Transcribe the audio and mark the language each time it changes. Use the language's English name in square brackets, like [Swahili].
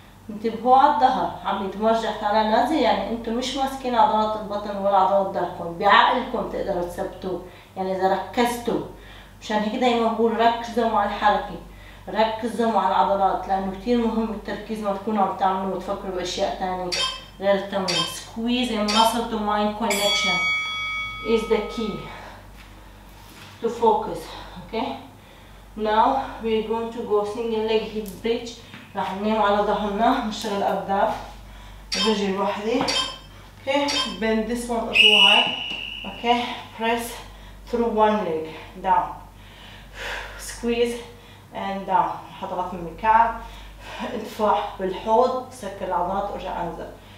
[Arabic] انتبهوا على الظهر عم يتمرجح على نازل، يعني انتم مش ماسكين عضلات البطن ولا عضلات ظهركم، بعقلكم تقدروا تثبتوه، يعني اذا ركزتوا. مشان هيك دائما بقول ركزوا مع الحركه، ركزوا مع العضلات، لانه كثير مهم التركيز ما تكونوا عم تعملوا وتفكروا باشياء ثانيه غير التمرين. [English] Squeeze and muscle to mind connection is the key to focus. Okay? Now we're going to go single leg hip bridge. [Arabic] راح ننام على ظهرنا، نشغل الأكتاف، رجلي لوحدي، okay. [English] Bend this one up wide. Okay. Press through one leg down. Squeeze and down. [Arabic] حضرت من المكعب، ادفع بالحوض، سكر العضلات وارجع انزل.